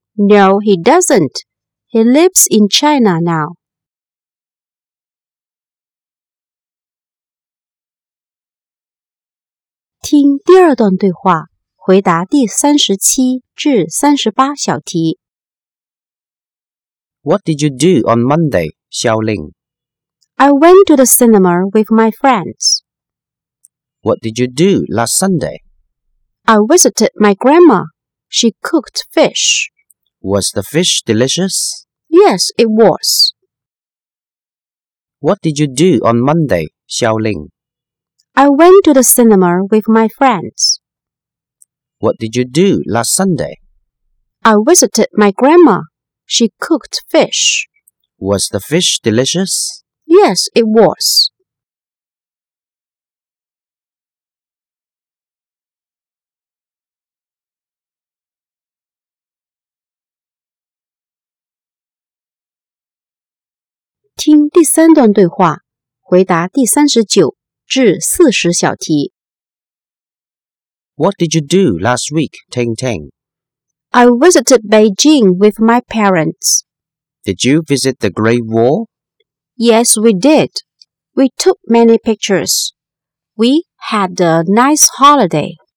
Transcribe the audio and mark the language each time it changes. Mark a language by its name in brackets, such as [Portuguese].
[English] No, he doesn't. He lives in China now. [Chinese] 听第二段对话，回答第37至38小题。 [English] What did you do on Monday, Xiao Ling? I went to the cinema with my friends. What did you do last Sunday? I visited my grandma. She cooked fish. Was the fish delicious? Yes, it was. What did you do on Monday, Xiao Ling? I went to the cinema with my friends. What did you do last Sunday? I visited my grandma. She cooked fish. Was the fish delicious? Yes, it was. [Chinese] 听第三段对话，回答第39至40小题。 [English] What did you do last week, Ting Ting? I visited Beijing with my parents. Did you visit the Great Wall? Yes, we did. We took many pictures. We had a nice holiday.